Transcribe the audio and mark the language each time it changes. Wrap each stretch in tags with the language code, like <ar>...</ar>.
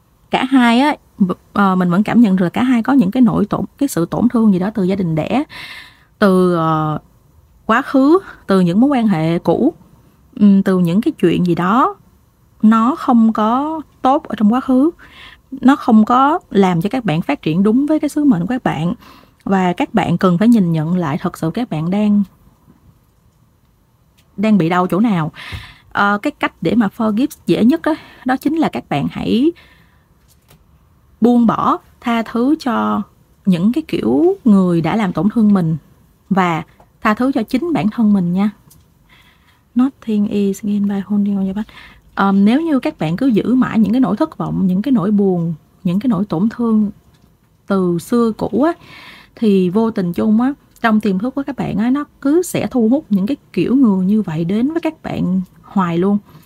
<vi>Cả hai á, mình vẫn cảm nhận được cả hai có những cái nỗi tổn, cái sự tổn thương gì đó từ gia đình đẻ, từ quá khứ, từ những mối quan hệ cũ, từ những cái chuyện gì đó nó không có tốt ở trong quá khứ, nó không có làm cho các bạn phát triển đúng với cái sứ mệnh của các bạn, và các bạn cần phải nhìn nhận lại thật sự các bạn đang đang bị đau chỗ nào. Cái cách để mà forgive dễ nhất đó, đó chính là các bạn hãy buông bỏ, tha thứ cho những cái kiểu người đã làm tổn thương mình và tha thứ cho chính bản thân mình nha.</vi> <en>Nothing is gained by holding on your back.</en> <vi>Nếu như các bạn cứ giữ mãi những cái nỗi thất vọng, những cái nỗi buồn, những cái nỗi tổn thương từ xưa cũ á, thì vô tình chung á, trong tiềm thức của các bạn á, nó cứ sẽ thu hút những cái kiểu người như vậy đến với các bạn hoài luôn.</vi>